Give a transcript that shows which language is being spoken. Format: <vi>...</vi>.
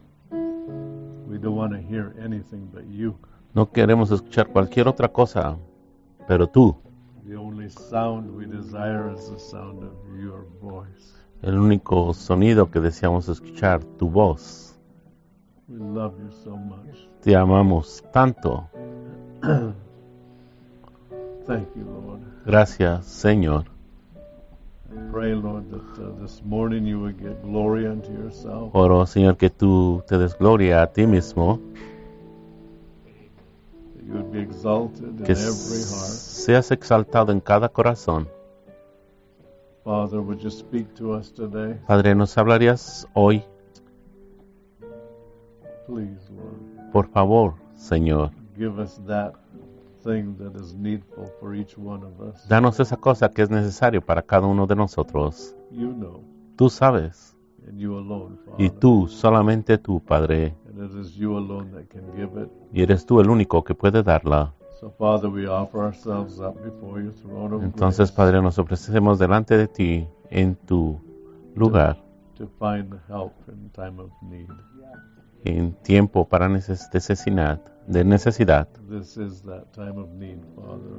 <en>We don't want to hear anything but you.</en> <es>No queremos escuchar cualquier otra cosa, pero tú.</es> <en>The only sound we desire is the sound of your voice.</en> <es>El único sonido que deseamos escuchar, tu voz.</es> <en>We love you so much.</en> <es>Te amamos tanto.</es> <en>Thank you, Lord.</en> <es>Gracias, Señor.</es> <en>I pray, Lord, that this morning you would get glory unto yourself.</en> <es>Oro, Señor, que tú te des gloria a ti mismo.</es> <en>You'd be exalted</en> <es>que</es> <en>in every heart.</en> <es>Seas exaltado en cada corazón.</es> <en>Father, would you speak to us today?</en> <es>Padre, ¿nos hablarías hoy?</es> <en>Please, Lord.</en> <es>Por favor, Señor.</es> <en>Give us that thing that is needful for each one of us.</en> <es>Danos esa cosa que es necesario para cada uno de nosotros.</es> <en>You know.</en> <es>Tú sabes.</es> <en>And you alone, Father.</en> <es>Y tú, solamente tú, Padre.</es> <en>And it is you alone that can give it.</en> <es>Y eres tú el único que puede darla.</es> <en>So, Father, we offer ourselves up before your throne of</en> <es>Entonces,</es> <en>grace.</en> <es>Padre, nos ofrecemos delante de ti en tu lugar.</es> <en>To find help in time of need.</en> <es>En tiempo para necesidad.</es> <en>This is that time of need, Father.</en>